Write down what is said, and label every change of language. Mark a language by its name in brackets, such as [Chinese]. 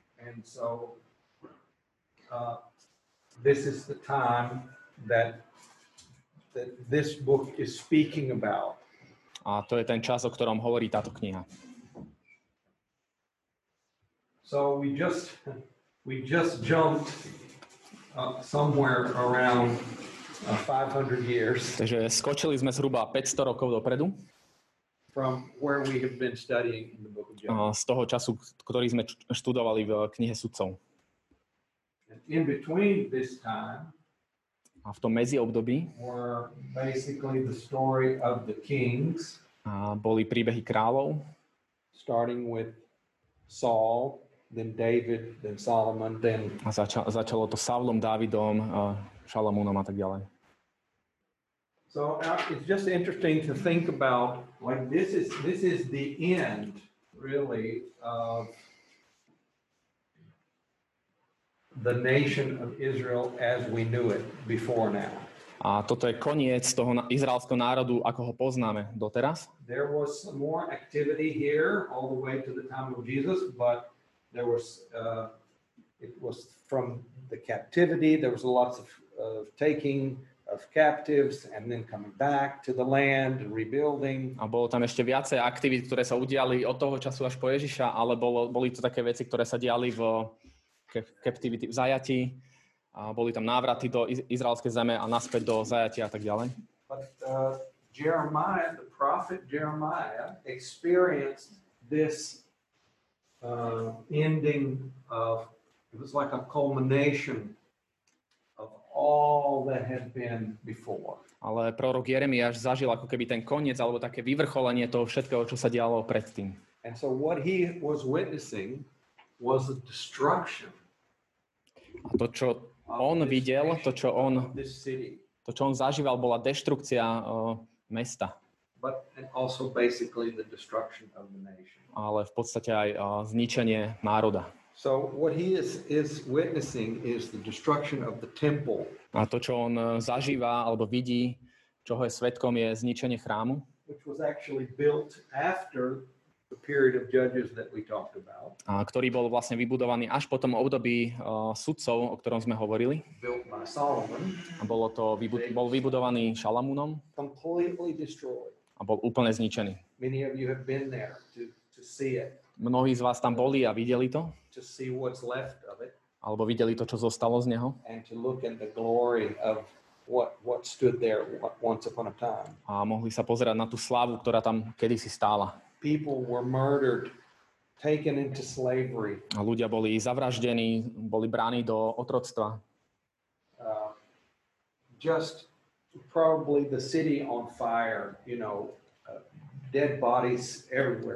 [English] And so this is the time that this book is speaking about. [Slovak] A to je ten čas, o ktorom hovorí táto kniha. [English] So we just jumped somewhere around 500 years. [Slovak] Takže skočili sme zhruba 500 rokov dopredu. [English] From where we have been studying in the book of Judges. [Slovak] Z toho času, ktorý sme študovali v knihe sudcov. [English] In between this time. [Slovak] A v tom medziobdobí. [English] Were basically the story of the kings. [Slovak] A boli príbehy kráľov. [English] Starting with Saul, then David, then Solomon, then. [Slovak] A začalo to Saulom, Dávidom, Šalamúnom a tak ďalej. [English] So it's just interesting to think about, like, this is the end, really, of the nation of Israel as we knew it before now. [Slovak] A toto je koniec toho izraelského národu, ako ho poznáme doteraz. [English] There was some more activity here all the way to the time of Jesus, but there was it was from the captivity, there was lots of taking of captives and then coming back to the land, rebuilding. [Slovak] A bolo tam ešte viacej aktivít, ktoré sa udiali od toho času až po Ježiša, ale boli to také veci, ktoré sa diali v captivity, v zajatí. A boli tam návraty do izraelskej zeme a naspäť do zajatia a tak ďalej. [English] But Jeremiah, the prophet Jeremiah, experienced this ending of, it was like a culmination all that had been before. [Slovak] Ale prorok Jeremiáš zažil ako keby ten koniec alebo také vyvrcholenie toho všetkého, čo sa dialo predtým. [English] And so what he was witnessing was a destruction. [Slovak] A to, čo on videl, to, čo on zažíval, bola deštrukcia mesta. [English] But also basically the destruction of the nation. [Slovak] Ale v podstate aj zničenie národa. [English] So what he is witnessing is the destruction of the temple. [Slovak] A to, čo on zažíva alebo vidí, čoho je svedkom, je zničenie chrámu. [English] Which was actually built after the period of judges that we talked about. [Slovak] A ktorý bol vlastne vybudovaný až po tom období sudcov, o ktorom sme hovorili. [English] Built by Solomon. [Slovak] A bolo to bol vybudovaný Šalamúnom. [English] Completely destroyed. [Slovak] A bol úplne zničený. [English] Many of you have been there to see it. [Slovak] Mnohí z vás tam boli a videli to. [English] To see what's left of it. [Slovak] Alebo videli to, čo zostalo z neho. [English] And to look in the glory of what stood there once upon a time. [Slovak] A mohli sa pozerať na tú slávu, ktorá tam kedysi stála. [English] People were murdered, taken into slavery. [Slovak] A ľudia boli zavraždení, boli bráni do otroctva. [English] Just probably the city on fire, you know. Dead bodies everywhere.